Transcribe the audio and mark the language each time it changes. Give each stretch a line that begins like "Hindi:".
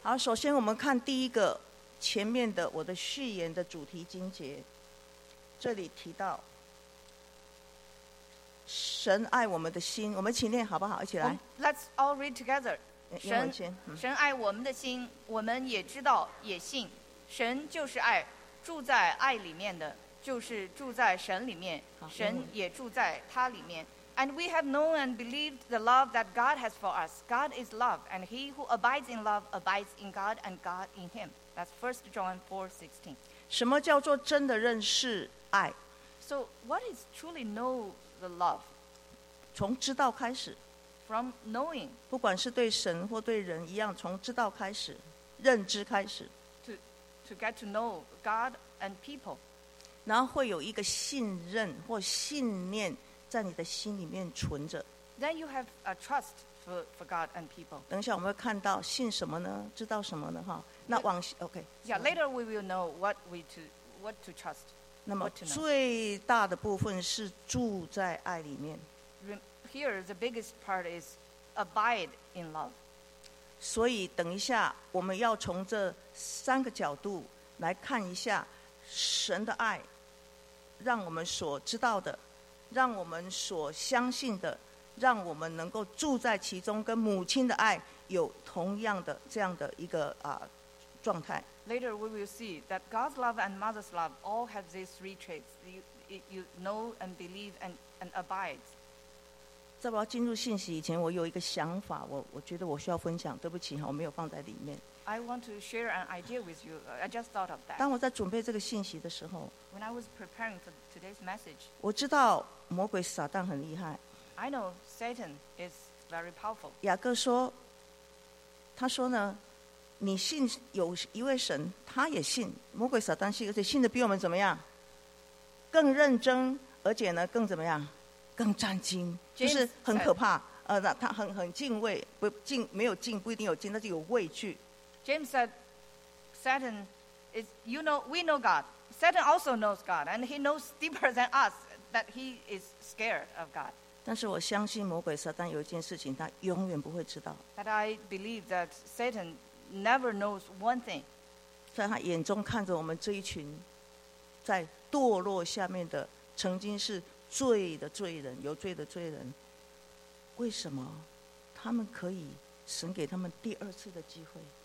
Chinese: 好，首先我们看第一个前面的我的序言的主题经节，这里提到神爱我们的心，我们一起念好不好？一起来。
English: Let's all read together.
Chinese: 神爱我们的心，我们也知道也信，神就是爱，住在爱里面的就是住在神里面，神也住在他里面。
English: And we have known and believed the love that God has for us. God is love, and he who abides in love abides in God and God in him. That's 1 John 4:16.
Chinese: 什么叫做真的认识爱？
English: So what is truly know the love?
Chinese: 从知道开始。
English: From knowing,
Chinese: 不管是对神或对人一样，从知道开始，认知开始。
English: To get to know God and people,
Chinese: 然后会有一个信任或信念在你的心里面存着。
English: Then you have a trust for God and people.
Chinese: 等一下我们会看到信什么呢？知道什么呢？哈，那往 OK.
English: Yeah, later we will know what to trust.
Chinese: 那么最大的部分是住在爱里面。
English: Here, the biggest part is abide in love.
Chinese: 所以等一下我们要从这三个角度来看一下神的爱，让我们所知道的，让我们所相信的，让我们能够住在其中，跟母亲的爱有同样的这样的一个状态。
English: Later, we will see that God's love and mother's love all have these three traits. You know and believe and abide.
Chinese: 在我要进入信息以前，我有一个想法，我觉得我需要分享，对不起，我没有放在里面。
English: I want to share an idea with you. I just thought of that.
Chinese: 当我在准备这个信息的时候
English: ，When I was preparing for today's message，
Chinese: 我知道魔鬼撒旦很厉害。
English: I know Satan is very powerful.
Chinese: 雅各说，他说呢，你信有一位神，他也信，魔鬼撒旦信，而且信的比我们怎么样？更认真，而且呢，更怎么样？更战兢，就是很可怕。他很敬畏，不敬没有敬不一定有敬，但是有畏惧。
English: James said, "Satan is, you know, we know God. Satan also knows God, and he knows deeper than us that he is scared of God."
Chinese: 但是我相信魔鬼撒旦有一件事情，他永远不会知道。
English: But I believe that Satan never knows one thing.
Chinese: 在他眼中看着我们这一群在堕落下面的，曾经是罪的罪人，有罪的罪人。为什么他们可以神给他们第二次的机会？